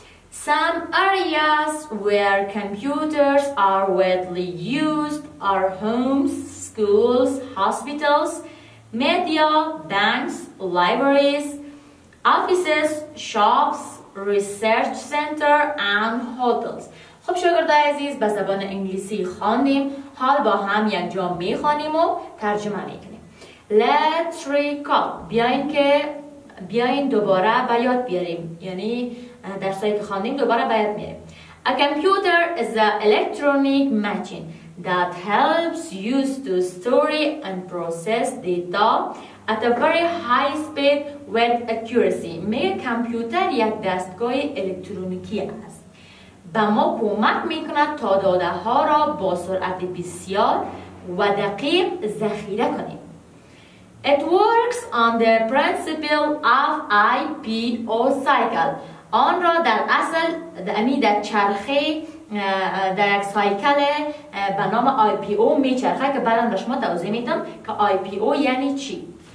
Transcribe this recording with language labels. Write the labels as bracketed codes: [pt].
[en] Some areas where computers are widely used are homes, schools, hospitals, media, banks, libraries, offices, shops, research center, and hotels. [fa] خب شاگردای عزیز، به زبان انگلیسی خوانیم، حال با هم یک جا میخوانیم و ترجمه میکنیم. [en] Let's recall، [fa] بیاین دوباره به یاد بیاریم، یعنی در سایی که خواندیم دوباره باید میریم. [en] A computer is an electronic machine that helps use to store and process data at a very high speed with accuracy. [fa] میگه کامپیوتر یک دستگاه الکترونیکی است به ما کمک میکند تا داده ها را با سرعت بسیار و دقیق ذخیره کنیم. [en] It works on the principle of IPO cycle. [fa] آن را در اصل در چرخه در یک سایکل به نام IPO میچرخه که برام شما توضیح میدم که IPO یعنی چی.